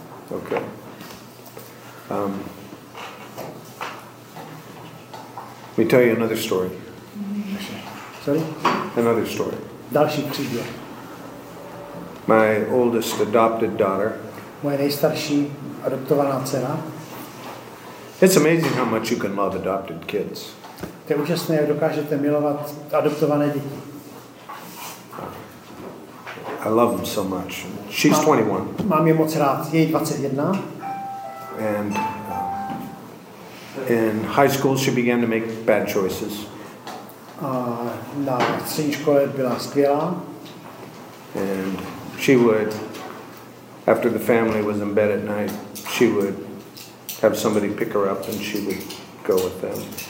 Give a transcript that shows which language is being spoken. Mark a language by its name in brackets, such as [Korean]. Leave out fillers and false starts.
[English] Okay. Let me tell you another story. Sorry? Another story. [Czech] Další příběh. [English] My oldest adopted daughter. [Czech] Moje nejstarší adoptovaná dcera. [English] It's amazing how much you can love adopted kids. [Czech] To je úžasné, jak dokážete milovat adoptované děti. [English] I love him so much. She's 21. [Czech] Mám je moc rád. Je 21. [English] And in high school she began to make bad choices. [Czech] Na střední škole byla skvělá. [English] And she would, after the family was in bed at night, she would have somebody pick her up and she would go with them.